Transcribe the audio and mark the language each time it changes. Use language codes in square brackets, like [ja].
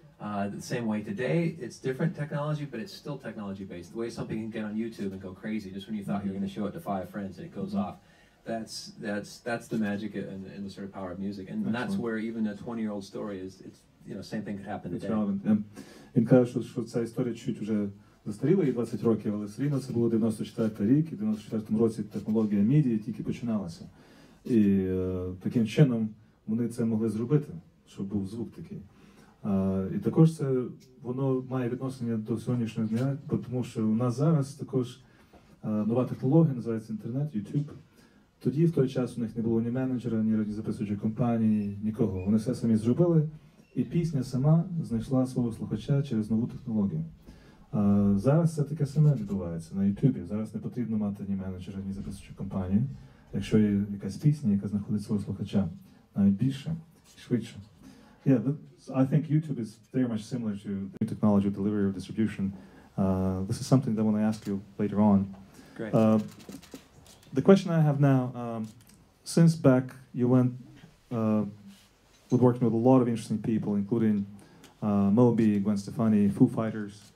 [en] The same way today, it's different technology, but it's still technology-based. The way something can get on YouTube and go crazy, just when you thought you were going to show it to five friends and it goes off, that's the magic and the sort of power of music. And excellent. That's where even a 20-year-old story is, it's, you know, same thing could happen today. [uk] Він каже, що ця історія чуть вже застаріла, і 20 років, але все рівно це було 94-й рік, і в 94-му році технологія MIDI тільки починалася. І таким чином вони це могли зробити, щоб був звук такий. І також це воно має відношення до сьогоднішнього дня, тому що у нас зараз також нова технологія, називається інтернет, YouTube. Тоді, в той час, у них не було ні менеджера, ні радіозаписуючої компанії, нікого. Вони все самі зробили, і пісня сама знайшла свого слухача через нову технологію. Зараз це таке саме відбувається на YouTube. Зараз не потрібно мати ні менеджера, ні записуючої компанії, якщо є якась пісня, яка знаходить свого слухача. Навіть більше, швидше. [en] Yeah, but I think YouTube is very much similar to the new technology of delivery or distribution. This is something that I want to ask you later on. Great. The question I have now, since back you went with working with a lot of interesting people, including Moby, Gwen Stefani, Foo Fighters.